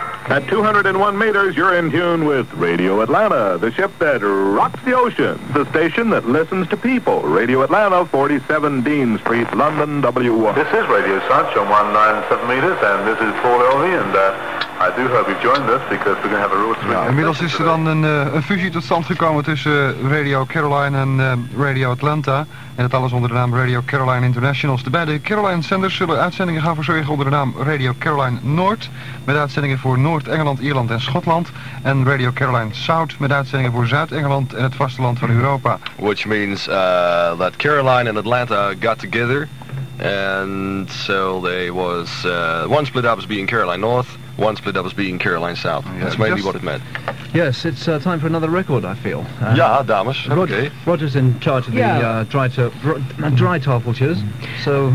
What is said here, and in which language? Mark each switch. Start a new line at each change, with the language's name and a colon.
English: At 201 meters, you're in tune with Radio Atlanta, the ship that rocks the ocean, the station that listens to people. Radio Atlanta, 47 Dean Street, London, W1. This is Radio Sunch on 197 meters, and this is Paul Elvey, and I do hope you've joined us, because we're going to have a real swing.
Dutch: Ja, inmiddels is er dan een fusie tot stand gekomen tussen Radio Caroline en Radio Atlanta. En dat alles onder de naam Radio Caroline Internationals. De beide Caroline-zenders zullen uitzendingen gaan verzorgen onder de naam Radio Caroline Noord, met uitzendingen voor Noord-Engeland, Ierland en Schotland. En Radio Caroline South, met uitzendingen voor Zuid-Engeland en het vasteland van Europa.
English: Which means that Caroline and Atlanta got together. And so they was, one split up as being Caroline North, one split up as being Caroline South. Yeah, that's maybe what it meant. Yes, it's time for another record, I feel. Yeah, dames, okay. Roger's in charge of dry tarpal tears, so